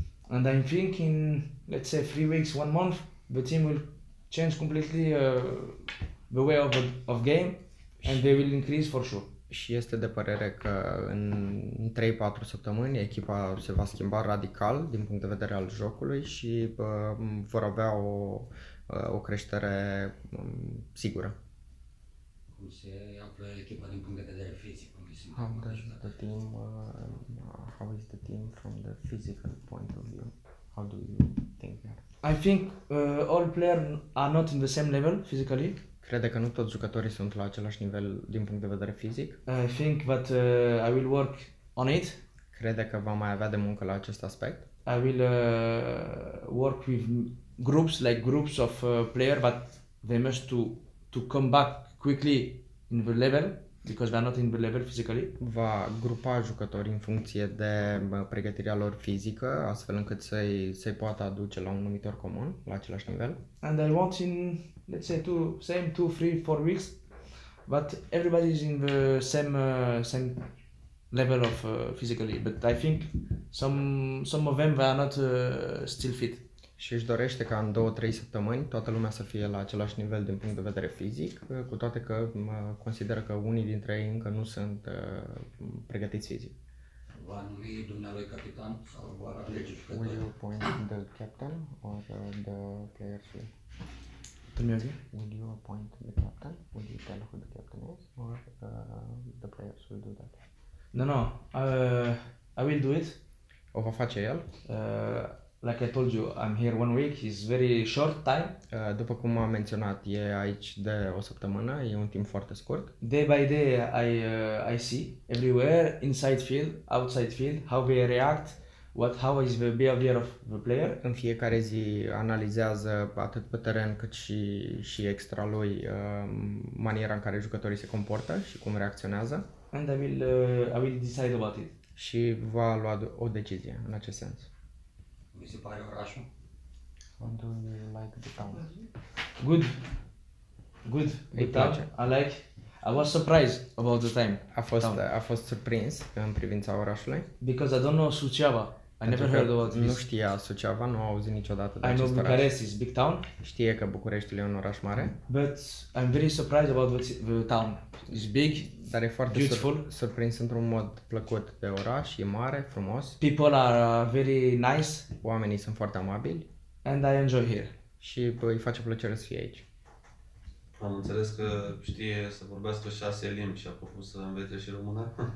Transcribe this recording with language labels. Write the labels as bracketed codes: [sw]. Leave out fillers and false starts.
[en] And I'm thinking, let's say 3 weeks, 1 month, the team will change completely the way of game and they will increase for sure. [ro] Și este de părere că în 3-4 săptămâni echipa se va schimba radical din punct de vedere al jocului și vor avea o creștere sigură. Cum se amplă echipa din punct de vedere fizic? [en] How does the team, how is the team from the physical point of view? How do you think that? I think all players are not in the same level physically. [ro] Crede că nu toți jucătorii sunt la același nivel din punct de vedere fizic. [en] I think that I will work on it. [ro] Crede că va mai avea de muncă la acest aspect. [en] I will work with groups, like groups of players, but they must to come back quickly in the level. Because they are not in the level physically. [ro] Va grupa jucătorii în funcție de pregătirea lor fizică, astfel încât să-i poată aduce la un numitor comun, la același nivel. [en] And I want in, let's say, two, three, four weeks, but everybody is in the same level of physically. But I think some of them are not still fit. [ro] Și își dorește ca în 2-3 săptămâni toată lumea să fie la același nivel din punct de vedere fizic, cu toate că consideră că unii dintre ei încă nu sunt pregătiți fizic. Va numi dumnealui capitan sau va alege jucători? [en] Will you appoint the captain or the players will? [ro] Dumnealui? [en] Will you appoint the captain? Will you tell who the captain is or the players will do that? No, I will do it. [ro] O va face el? [en] Like I told you, I'm here 1 week. It's very short time. [ro] După cum am menționat, e aici de o săptămână. E un timp foarte scurt. [en] Day by day, I see everywhere, inside field, outside field, how they react, how is the behavior of the player. [ro] În fiecare zi analizează atât pe teren cât și extra lui maniera în care jucătorii se comportă și cum reacționează. [en] And I will decide about it. [ro] și va lua o decizie în acest sens. Mi se pare orașul? [en] What do you like the town? Good. Good. Good town. Place. I like. I was surprised about the time. [ro] A fost surprins în privința orașului. [en] Because I don't know Suceava. I never heard about this. [ro] Nu știa Suceava, nu a auzit niciodată de acest oraș. [en] I know Bucharest is big town. [ro] Știe că Bucureștiul e un oraș mare. [en] But I'm very surprised about the town. It's big. [ro] Dar e foarte [en] beautiful. [ro] Surprins într-un mod plăcut de oraș, e mare, frumos. [en] People are very nice. [ro] Oamenii sunt foarte amabili. [en] And I enjoy here. [ro] Și îi face plăcere să fie aici. Am înțeles că știe să vorbească 6 limbi și a propus să învețe și română.